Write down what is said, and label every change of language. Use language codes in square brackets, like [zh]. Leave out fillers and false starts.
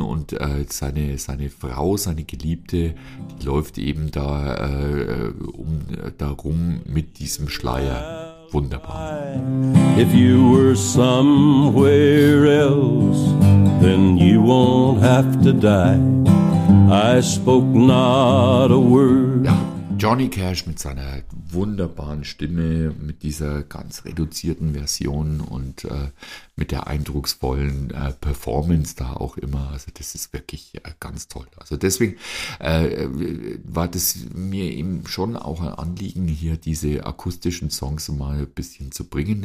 [de] Und seine Frau, seine Geliebte, die läuft eben da darum mit diesem Schleier. Wunderbar. [en] If you were somewhere else, then you won't have to die. I spoke not a word. [de] Ja, Johnny Cash mit seiner wunderbaren Stimme, mit dieser ganz reduzierten Version und mit der eindrucksvollen Performance da auch immer. Also das ist wirklich ganz toll. Also deswegen war das mir eben schon auch ein Anliegen, hier diese akustischen Songs mal ein bisschen zu bringen.